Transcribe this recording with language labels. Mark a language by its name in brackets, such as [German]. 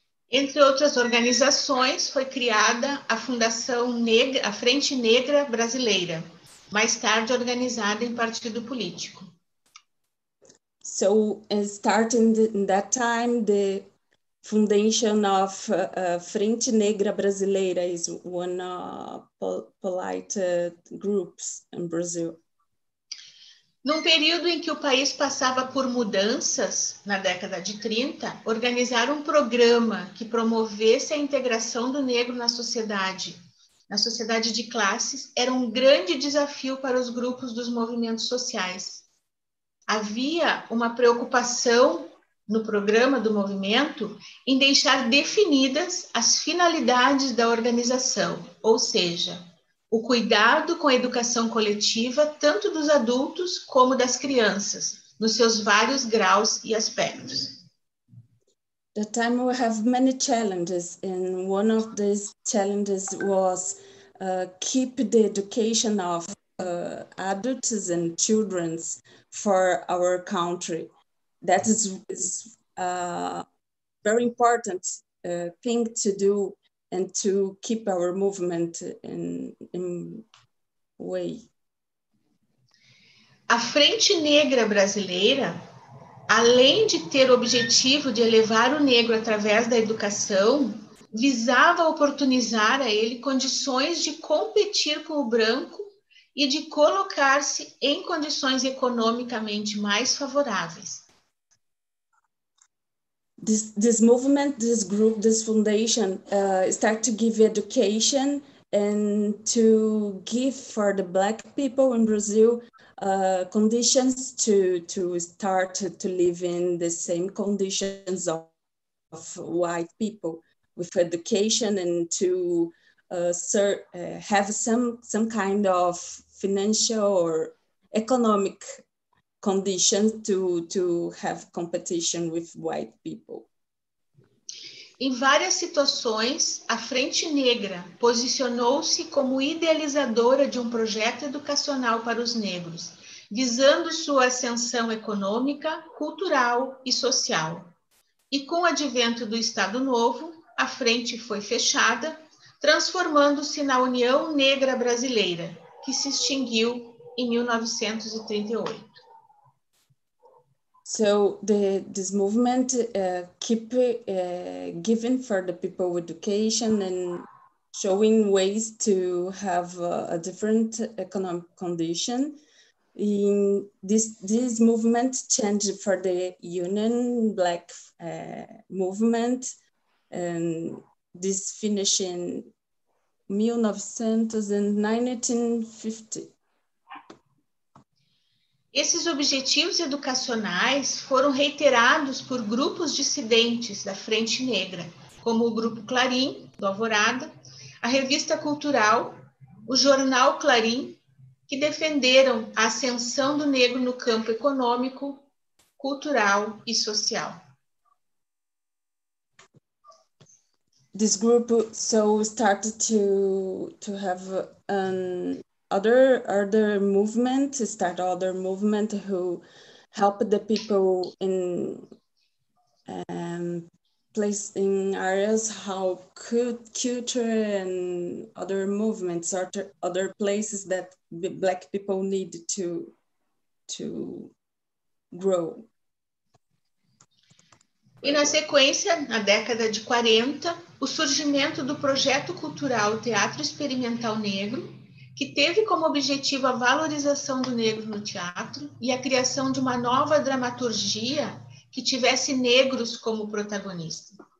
[Portuguese] Entre outras organizações, foi criada a Fundação Negra, a Frente Negra Brasileira, mais tarde organizada em partido político. [English] So, starting in that time, the Foundation of Frente Negra Brasileira is one of polite groups in Brazil. [Portuguese] Num período em que o país passava por mudanças, na década de 30, organizar um programa que promovesse a integração do negro na sociedade de classes, era um grande desafio para os grupos dos movimentos sociais. Havia uma preocupação no programa do movimento em deixar definidas as finalidades da organização, ou seja, o cuidado com a educação coletiva, tanto dos adultos como das crianças, nos seus vários graus e aspectos. [English] The time we have many challenges, and one of these challenges was keep the education of adults and children for our country. That is a very important thing to do and to keep our movement in way. [Portuguese] A Frente Negra Brasileira, além de ter o objetivo de elevar o negro através da educação, visava oportunizar a ele condições de competir com o branco e de colocar-se em condições economicamente mais favoráveis. [English] This movement, this group, this foundation start to give education and to give for the black people in Brazil conditions to start to live in the same conditions of white people with education and to have some kind of financial or economic conditions to have competition with white people. [Portuguese] Em várias situações, a Frente Negra posicionou-se como idealizadora de um projeto educacional para os negros, visando sua ascensão econômica, cultural e social. E com o advento do Estado Novo, a frente foi fechada, transformando-se na União Negra Brasileira, que se extinguiu em 1938. [English] So this movement keep giving for the people education and showing ways to have a different economic condition. In this movement changed for the union black movement, and this finished in 1950. [Portuguese] Esses objetivos educacionais foram reiterados por grupos dissidentes da Frente Negra, como o Grupo Clarim, do Alvorada, a Revista Cultural, o Jornal Clarim, que defenderam a ascensão do negro no campo econômico, cultural e social. [English] This group so started to have other movement, start other movement who help the people in place in areas how culture and other movements or other places that black people need to grow. [Portuguese] E na sequência, na década de 40, o surgimento do projeto cultural Teatro Experimental Negro, que teve como objetivo a valorização do negro no teatro e a criação de uma nova dramaturgia que tivesse negros como protagonista.